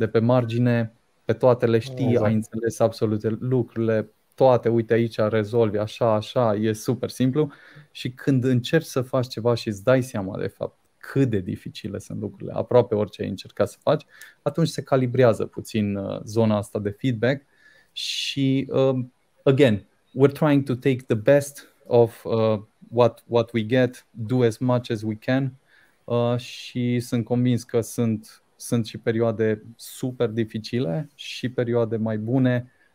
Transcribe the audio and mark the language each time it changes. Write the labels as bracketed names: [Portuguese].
[Romanian] De pe margine, pe toate le știi, exact. Ai înțeles absolut lucrurile, toate, uite aici, rezolvi, așa, așa, e super simplu. Și când încerci să faci ceva și îți dai seama de fapt cât de dificile sunt lucrurile, aproape orice ai încercat să faci, atunci se calibrează puțin zona asta de feedback. [English] Și, again, we're trying to take the best of what we get, do as much as we can. [Romanian] Și sunt convins că sunt și perioade super dificile și perioade mai bune.